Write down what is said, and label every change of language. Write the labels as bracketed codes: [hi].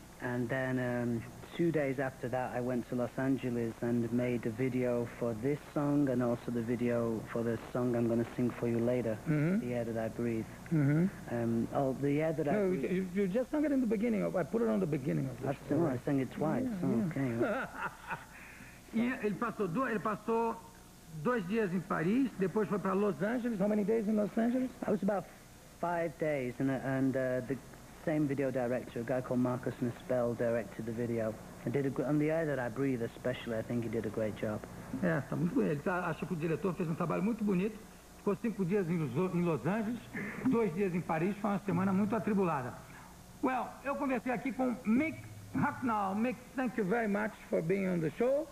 [en] And then 2 days after that, I went to Los Angeles and made a video for this song and also the video for the song I'm going to sing for you later, mm-hmm. The Air That I Breathe. Mm-hmm. The Air That I Breathe. No, you just sung it in the beginning. I put it on the beginning of this. I sang it twice. Yeah, oh, yeah. Okay. [pt] Ele passou 2 dias em Paris, depois foi para Los Angeles. [en] How many days in Los Angeles? I was about 5 days, and the same video director, a guy called Marcus Nispel, directed the video. On The Air That I Breathe, especially, I think he did a great job. [pt] É, tá muito bonito. Acho que o diretor fez um trabalho muito bonito. Ficou 5 dias em Los Angeles, 2 dias em Paris, foi uma semana muito atribulada. [en] Well, [pt] eu conversei aqui com Mick Hucknall. [en] Mick, thank you very much for being on the show.